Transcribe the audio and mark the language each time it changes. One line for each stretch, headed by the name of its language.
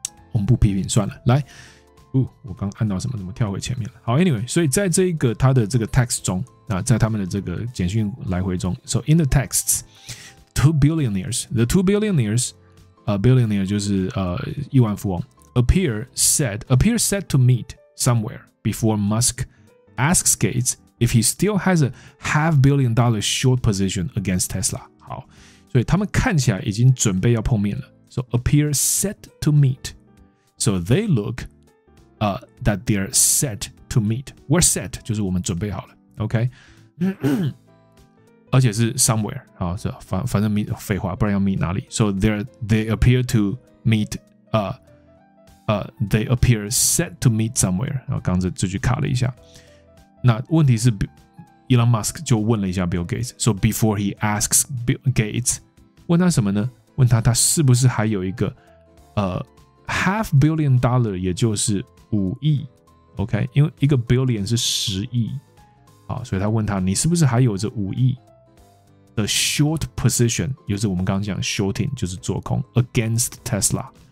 Chinese: 我们不批评算了，来，我刚按到什么，怎么跳回前面了？好 ，anyway， 所以在这个他的这个 text 中，在他们的这个简讯来回中 ，
English: so in the texts， the two billionaires，
Chinese: billionaire 就是亿万富翁
English: appear said to meet somewhere。 Before Musk asks Gates if he still has a $500 million short position against Tesla.
Chinese: 好，所以他们看起来已经准备要碰面了。
English: So appear set to meet. So they look, that they're set to meet. We're set
Chinese: 就是我们准备好了 ，OK 。而且是 somewhere 啊，是反正 meet 废话，不然要 meet 哪里
English: ？So they appear to meet, they appear set to meet somewhere.
Chinese: 然后刚才这句卡了一下。那问题是 Elon Musk 就问了一下 Bill Gates.
English: So before he asks Bill Gates,
Chinese: 问他什么呢？问他是不是还有一个$500 million， 也就是5亿。 OK， 因为一个 billion 是10亿。好，所以他问他，你是不是还有这5亿的 short position， 就是我们刚刚讲 shorting， 就是做空 against Tesla。